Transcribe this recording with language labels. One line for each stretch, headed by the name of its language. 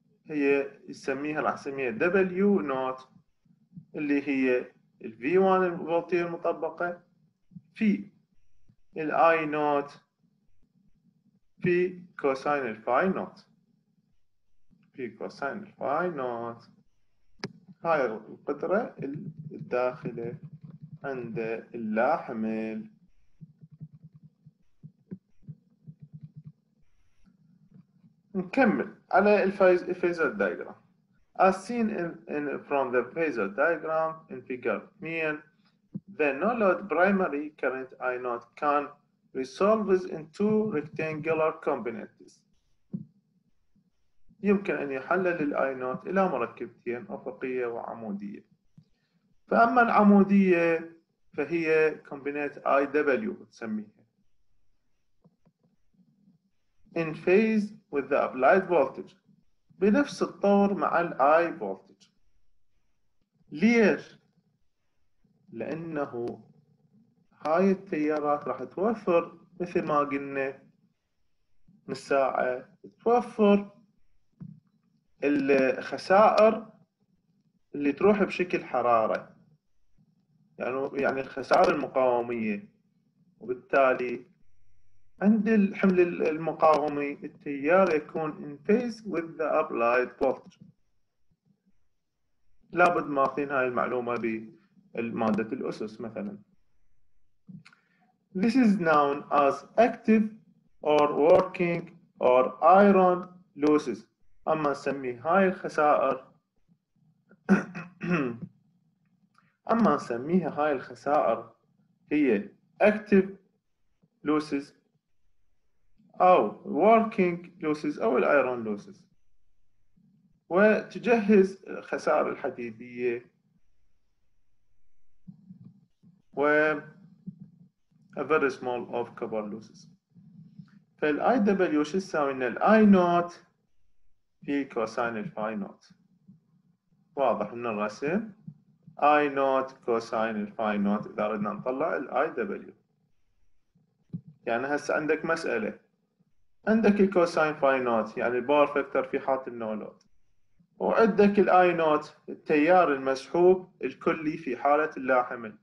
Arabic: هي يسميها راح اسميها دبليو نوت، اللي هي الفي 1 الفولتيه المطبقه في الاي نوت في كوساين الفاي نوت في كوساين الفاي نوت. هاي القدره الداخله عند اللاحمل. نكمل على الفيزر دايجرام.
English: As seen in from the phasor diagram in figure 10, the no load primary current I naught can resolve in two rectangular components.
Arabic: يمكن أن يحلل الـ I naught إلى مركبتين أفقية وعمودية. فأما العمودية فهي كومبينات I W تسميها.
English: In phase with the applied voltage.
Arabic: بنفس الطور مع الـ I voltage. ليش؟ لأنه هاي التيارات راح توفر مثل ما قلنا من ساعة، توفر الخسائر اللي تروح بشكل حرارة، يعني الخسائر المقاومية، وبالتالي عند الحمل المقاومي التيار يكون in phase with the applied voltage. لابد ماخذين هاي المعلومة بمادة الأسس مثلا.
English: This is known as active or working or iron losses.
Arabic: أما نسمي هاي الخسائر أما نسميها هاي الخسائر هي active losses أو working losses أو iron losses. وتجهز الخسائر الحديدية و a very small of copper losses. فال IW شو تساوي لنا؟ ال I naught في كوساين الفاي نوت. واضح من الرسم I naught كوساين الفاي نوت إذا أردنا نطلع ال IW. يعني هسه عندك مسألة، عندك الكوساين فاي نوت يعني الباور فاكتور في حالة النولود، وعندك الاي نوت التيار المسحوب الكلي في حالة اللاحمل.